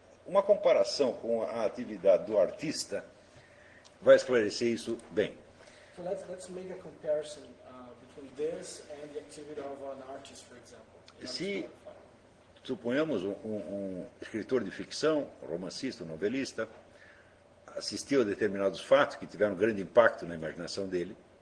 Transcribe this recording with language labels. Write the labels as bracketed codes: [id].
[pt] uma comparação com a atividade do artista vai esclarecer isso bem. [en] So let's make a comparison between this and the activity of an artist, for example. [pt] Se suponhamos um escritor de ficção, romancista, novelista, assistiu a determinados fatos que tiveram grande impacto na imaginação dele.